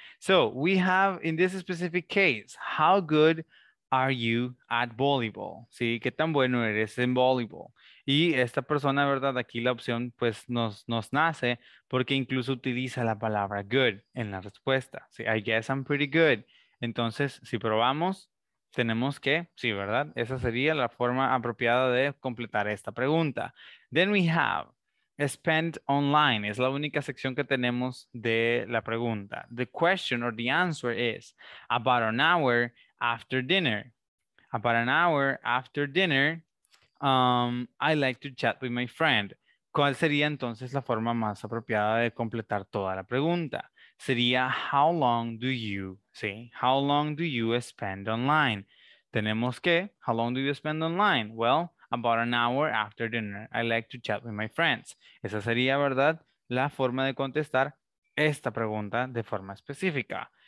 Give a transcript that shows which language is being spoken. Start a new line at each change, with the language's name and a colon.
English: So we have in this specific case, how good are you at volleyball?
Spanish: ¿Sí? ¿Qué tan bueno eres en volleyball? Y esta persona, ¿verdad? Aquí la opción pues nos nace porque incluso utiliza la palabra good en la respuesta. ¿Sí?
English: I guess I'm pretty good.
Spanish: Entonces, si probamos, tenemos que, sí, ¿verdad? Esa sería la forma apropiada de completar esta pregunta.
English: Then we have spent online.
Spanish: Es la única sección que tenemos de la pregunta.
English: The question or the answer is about an hour after dinner. About an hour after dinner, I like to chat with my friend.
Spanish: ¿Cuál sería entonces la forma más apropiada de completar toda la pregunta? Sería
English: how long do you,
Spanish: ¿sí?
English: How long do you spend online?
Spanish: Tenemos que,
English: how long do you spend online? Well, about an hour after dinner, I like to chat with my friends.
Spanish: Esa sería, ¿verdad? La forma de contestar esta pregunta de forma específica.